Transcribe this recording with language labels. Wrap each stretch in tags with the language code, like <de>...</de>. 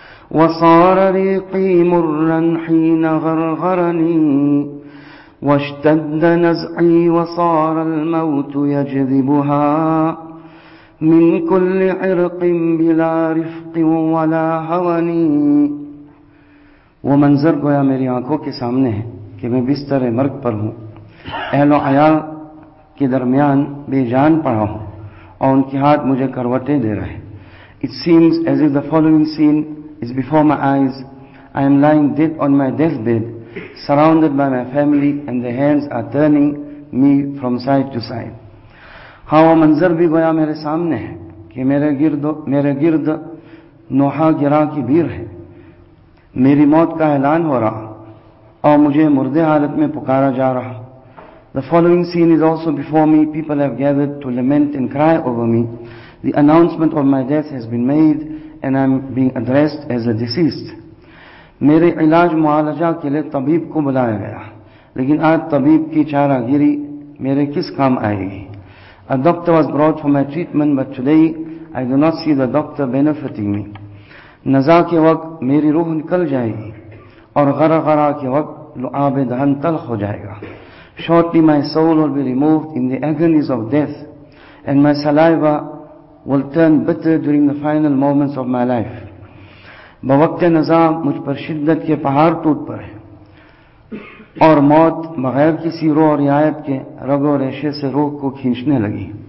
<ar>وصار ريقي مرا حين غرغرني واشتد نزعي وصار الموت يجذبها من كل عرق بلا رفق ولا هوني.</ar> <ur>وہ منظر گویا میری آنکھوں کے سامنے ہے کہ میں بستر مرگ پر ہوں, اہل و عیال کے درمیان بے جان پڑا ہوں اور ان کے ہاتھ مجھے کروٹیں دے رہے ہیں.</ur> <en>It seems as if the following scene is before my eyes. I am lying dead on my deathbed, surrounded by my family, and their hands are turning me from side to side.</en> <ur>ہاں وہ منظر بھی گویا میرے سامنے ہے کہ میرے گرد نوحہ گرا کی بھیڑ ہے. میری موت کا اعلان ہو رہا اور مجھے مردے حالت میں پکارا جا رہا.</ur> <en>The following scene is also before me. People have gathered to lament and cry over me. The announcement of my death has been made and I'm being addressed as a deceased.</en> <ur>میرے علاج معالجہ کے لئے طبیب کو بلایا گیا لیکن آج طبیب کی چارہ گیری میرے کس کام آئے گی.</ur> <en>A doctor was brought for my treatment but today I do not see the doctor benefiting me.</en> <ur>نزا کے وقت میری روح نکل جائے گی اور غرغرا کے وقت لعاب دہن تلخ ہو جائے گا.</ur> <en>Shortly my soul will be removed in the agonies of death and my saliva will turn bitter during the final moments of my life.</en> <ur>بوقت نزا مجھ پر شدت کے پہاڑ ٹوٹ پر ہے اور موت بغیر کسی روح اور رعایت کے رگ و ریشے سے روح کو کھینچنے لگی.</ur>